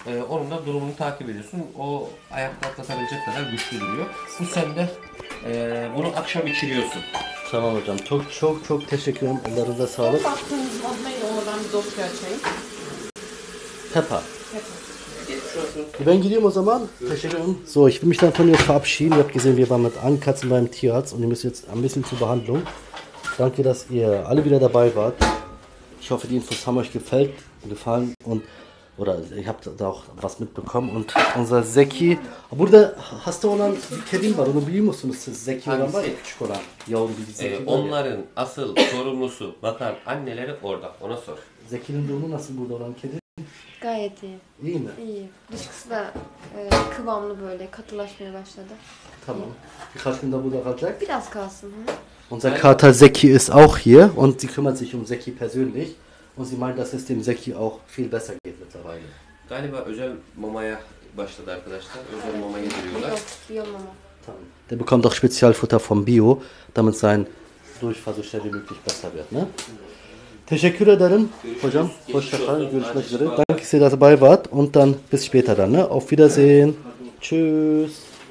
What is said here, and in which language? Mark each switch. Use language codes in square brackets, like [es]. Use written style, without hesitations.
[tr] Onun da durumunu takip ediyorsun. O ayakta atlatabilecek kadar güçlü duruyor. Bu sen de bunu akşam içiriyorsun. Tamam hocam. Çok teşekkür ederim. Ellerinize sağlık. Çok baktığınız adlayın. Oradan bir dosya açayım. Peppa. Ben gideyim o zaman. Teşekkür ederim. [de] So, ich will mich dann von ihr verabschieden. Ihr habt gesehen, wir waren mit allen Katzen beim Tierarzt und ihr müsst jetzt ein bisschen zur Behandlung. Danke, dass ihr alle wieder dabei wart. Ich hoffe, die Infos haben euch gefallen und oder ich habe da auch was mitbekommen und unser Zeki, [tr] burada hasta olan bir kedim var, onu biliyor musunuz siz? Zeki olan var ya, küçük olan, yavru bir Zeki. Onların ya. Asıl sorumlusu bakan anneleri orada, ona sor. Zeki'nin durumu nasıl burada olan kedi? Gayet iyi. İyi mi? İyi. Dışkısı da kıvamlı böyle, katılaşmaya başladı. Tamam. Birkaç gün de burada kalacak. Biraz kalsın. Hı? [de] Unser Kater Zeki ist auch hier und sie kümmert sich um Zeki persönlich. Und sie meint, dass es dem Zeki auch viel besser geht mittlerweile. [tr] Galiba özel mamaya başladı arkadaşlar. Özel mamaya giriyorlar. Yok, Bio Mama. [de] Tamam. Der bekommt auch Spezialfutter vom Bio, damit sein Durchfallsüchteli möglich besser wird. [tr] Ne? Teşekkür ederim. Görüşürüz. Hocam, hoşçakalın. Görüşmek üzere. [de] Danke, dass ihr dabei wart. Und dann bis später dann. Ne? Auf Wiedersehen. Tschüss.